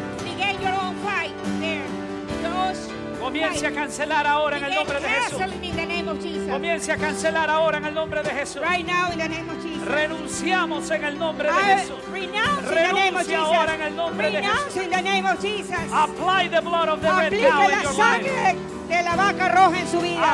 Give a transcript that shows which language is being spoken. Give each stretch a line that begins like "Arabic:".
English: Begin your own fight there.
Spanish: Comience a cancelar ahora en el nombre de Jesús. Comience a cancelar ahora en el nombre de Jesús.
English: Right now in the name of Jesus.
Spanish: Renunciamos en el nombre de Jesús. Renuncia ahora en el nombre de Jesús.
English: In the name of Jesus. Apply the blood of the red cow in your life.
Spanish: Aplique la sangre de la vaca roja en su vida.